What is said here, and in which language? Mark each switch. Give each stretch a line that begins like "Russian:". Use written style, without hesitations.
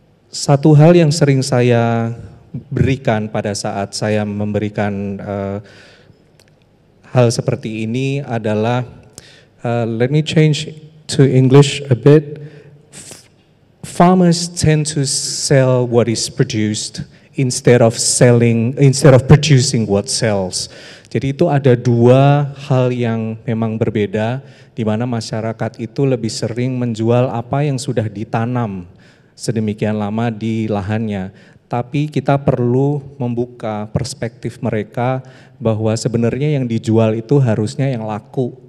Indonesian: Satu hal yang sering saya berikan pada saat saya memberikan hal seperti ini adalah,
English: let me change to English a bit. Farmers tend to sell what is produced instead of producing what sells.
Indonesian: Jadi itu ada dua hal yang memang berbeda, di mana masyarakat itu lebih sering menjual apa yang sudah ditanam sedemikian lama di lahannya. tapi kita perlu membuka perspektif mereka bahwa sebenarnya yang dijual itu harusnya yang laku.